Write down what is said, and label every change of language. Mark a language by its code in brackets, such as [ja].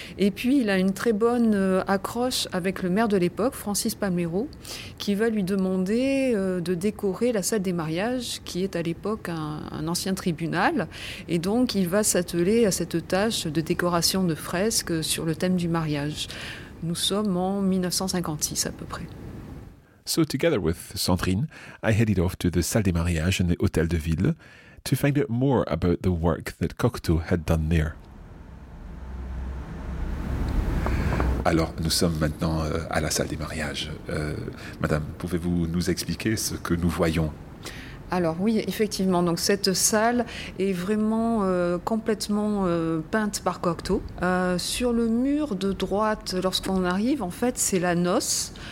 [fr] Et puis, il a une très bonne accroche avec le maire de l'époque, Francis Palmero, qui va lui demander de décorer la salle des mariages, qui est à l'époque un ancien tribunal. Et donc, il va s'atteler à cette tâche de décoration de fresques sur le thème du mariage. Nous sommes en 1956 à peu près. [en] So together with Sandrine, I headed off to the Salle des Mariages in the Hôtel de Ville to find out more about the work that Cocteau had done there. [fr] Alors, nous sommes maintenant à la Salle des Mariages. Madame, pouvez-vous nous expliquer ce que nous voyons? Alors oui, effectivement, donc cette salle est vraiment complètement peinte par Cocteau. Sur le mur de droite, lorsqu'on arrive, en fait, c'est la noce.